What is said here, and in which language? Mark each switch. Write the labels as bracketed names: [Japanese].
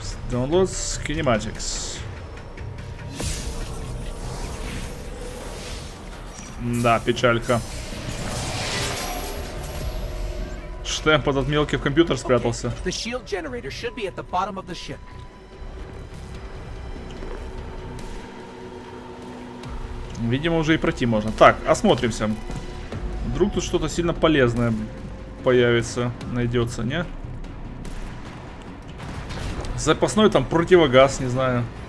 [English] Download schematics. [Russian] Да, печалька. Штемп этот мелкий в компьютер спрятался. [English] The shield generator should be at the bottom of the ship. [Russian] Видимо, уже и пройти можно. Так, осмотримся. Вдруг тут что-то сильно полезное появится, найдется, не? Запасной там противогаз, не знаю.